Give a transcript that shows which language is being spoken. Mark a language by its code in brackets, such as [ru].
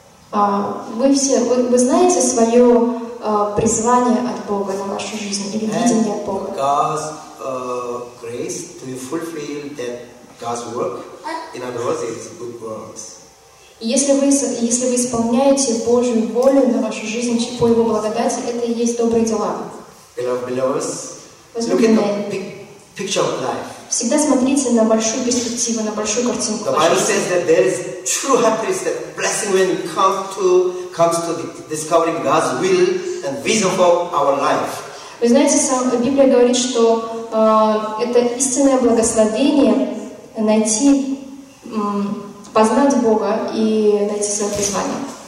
[ru] Вы знаете свое призвание от Бога на вашу жизнь или видение от Бога? [en] God's grace, do you fulfill that God's work? In other words, it's good works. [ru] Если вы исполняете Божью волю на вашу жизнь по Его благодати, это и есть добрые дела. [en] Look at the picture of life. [ru] Всегда смотрите на большую перспективу, на большую картинку. [en] The Bible says that there is true happiness, that blessing when it comes to discovering God's will and vision for our life. [ru] Вы знаете, Библия говорит, что это истинное благословение найти познать Бога и найти свое призвание.